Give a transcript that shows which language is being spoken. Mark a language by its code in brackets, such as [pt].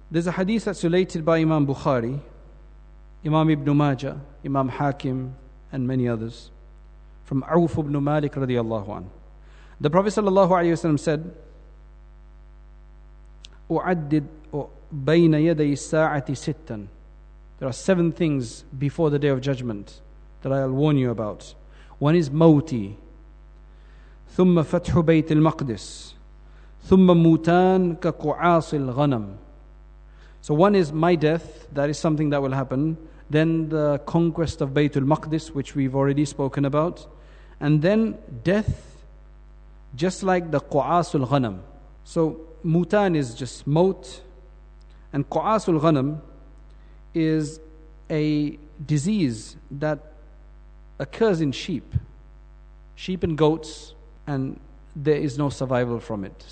[en] There's a hadith that's related by Imam Bukhari, Imam Ibn Majah, Imam Hakim, and many others, from Auf ibn Malik radiallahu anhu. The Prophet sallallahu alayhi wa sallam said, [ar] أعدد بين يدي الساعة ستا. [en] There are seven things before the Day of Judgment that I'll warn you about. One is [ar] موتي, ثم فتح بيت المقدس, ثم موتان كقعاص الغنم. [en] So one is my death, that is something that will happen. Then the conquest of Bayt al-Maqdis, which we've already spoken about. And then death, just like the [ar] قعاص الغنم. [en] So mutan is just moat, and qa'as al-ghanam is a disease that occurs in sheep and goats, and there is no survival from it.